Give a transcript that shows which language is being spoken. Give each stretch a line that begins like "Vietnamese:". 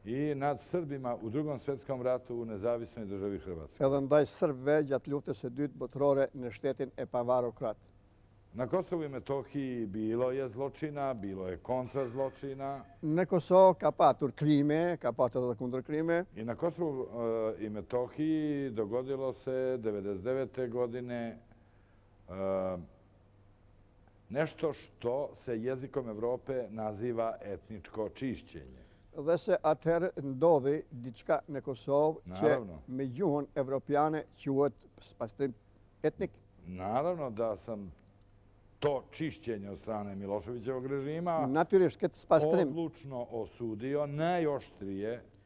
Serbian: i nad Srbima u drugom svjetskom ratu u nezavisnoj državi Hrvatske.
Albanian: Edhe ndaj Srbve gjatë luftës së dytë botërore në shtetin e pavarur Kroatë.
Serbian: Na Kosovu i Metohiji bilo je zločina, bilo je kontra zločina.
Albanian: Në Kosovë ka patur krime, ka patur dhe kundër krime.
Serbian: I na Kosovu i Metohiji dogodilo se 99. godine nešto što se jezikom Evrope naziva etničko čišćenje.
Albanian: Dhe se atëherë ndodhi diçka në Kosovë që me gjuhën evropiane quhet pastrim etnik?
Serbian: Naravno da sam to čišćenje od strane Miloševićevog režima odlučno osudio najoštrije.